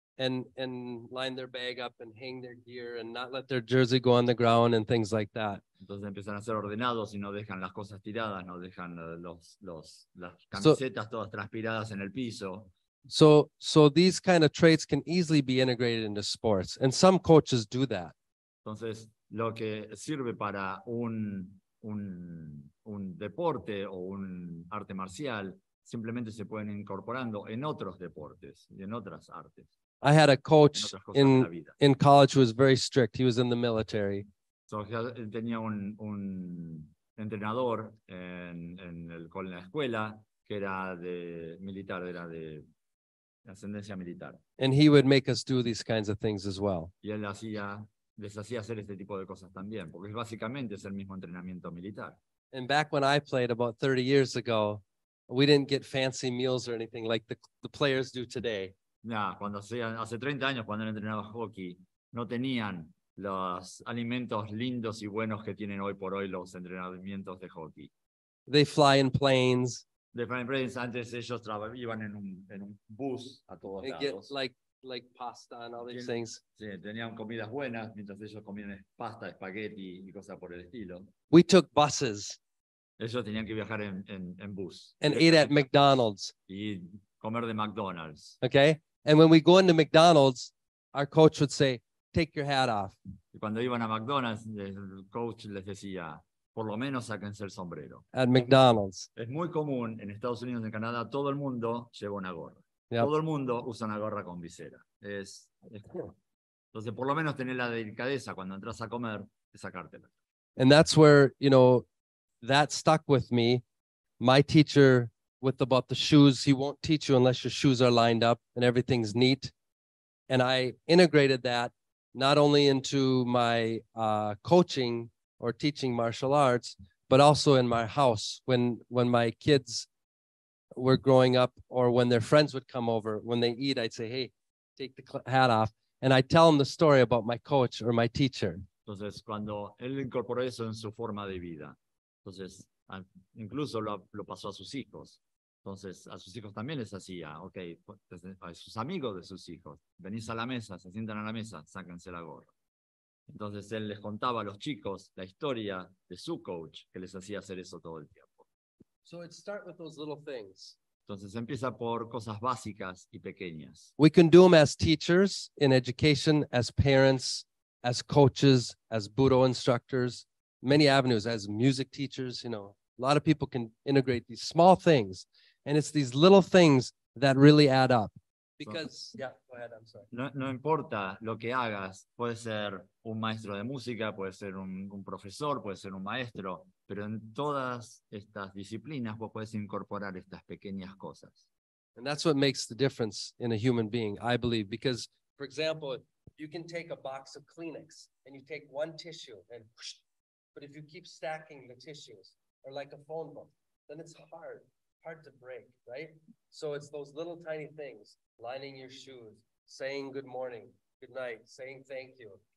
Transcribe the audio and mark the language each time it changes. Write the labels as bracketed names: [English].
[English] And line their bag up and hang their gear and not let their jersey go on the ground and things like that. [Spanish] Entonces empiezan a ser ordenados y no dejan las cosas tiradas, no dejan las camisetas todas transpiradas en el piso. [English] So these kind of traits can easily be integrated into sports, and some coaches do that. [Spanish] Entonces, lo que sirve para un deporte o un arte marcial simplemente se pueden incorporando en otros deportes y en otras artes. [English] I had a coach in college who was very strict. He was in the military. [Spanish] So, él tenía un entrenador en la escuela que era de militar, era de ascendencia militar. [English] And he would make us do these kinds of things as well. [Spanish] Y él les hacía hacer este tipo de cosas también, porque básicamente es el mismo entrenamiento militar. [English] And back when I played about 30 years ago, we didn't get fancy meals or anything like the players do today. [Spanish] Nah, cuando hace 30 años cuando él entrenaba hockey, no tenían los alimentos lindos y buenos que tienen hoy por hoy los entrenamientos de hockey. [English] They fly in planes. The Fine Brains, [Spanish] antes ellos iban en un bus a todos lados. [English] Get like pasta and all these things. [Spanish] Sí, tenían comidas buenas, mientras ellos comían pasta, espagueti y cosas por el estilo. [English] We took buses. [Spanish] Ellos tenían que viajar en bus. [English] And eat at McDonald's. [Spanish] Y comer de McDonald's. [English] Okay? And when we go into McDonald's, our coach would say, take your hat off. [Spanish] Y cuando iban a McDonald's, el coach les decía, por lo menos sáquense el sombrero. [English] At McDonald's. [Spanish] Es muy común en Estados Unidos y en Canadá, todo el mundo lleva una gorra. Yep. Todo el mundo usa una gorra con visera. Es cool. Entonces, por lo menos tener la delicadeza cuando entras a comer, sacártela. [English] And that's where, you know, that stuck with me. My teacher, with about the shoes, he won't teach you unless your shoes are lined up and everything's neat. And I integrated that not only into my coaching or teaching martial arts, but also in my house when my kids were growing up or when their friends would come over, when they eat, I'd say, hey, take the hat off. And I'd tell them the story about my coach or my teacher. [Spanish] Entonces, cuando él incorporó eso en su forma de vida, entonces, incluso lo pasó a sus hijos. Entonces, a sus hijos también les hacía, ok, a sus amigos de sus hijos, venís a la mesa, se sientan a la mesa, sáquense la gorra. Entonces, él les contaba a los chicos la historia de su coach que les hacía hacer eso todo el tiempo. [English] So it start with those little things. [Spanish] Entonces, empieza por cosas básicas y pequeñas. [English] We can do them as teachers in education, as parents, as coaches, as budo instructors, many avenues, as music teachers, you know. A lot of people can integrate these small things, and it's these little things that really add up. Because, yeah, go ahead, I'm sorry. [Spanish] No importa lo que hagas, puede ser un maestro de música, puede ser un profesor, puede ser un maestro, pero en todas estas disciplinas vos puedes incorporar estas pequeñas cosas. [English] And that's what makes the difference in a human being, I believe, because, for example, you can take a box of Kleenex, and you take one tissue, and whoosh, but if you keep stacking the tissues, or like a phone book, then it's hard to break, right? So it's those little tiny things, lining your shoes, saying good morning, good night, saying thank you.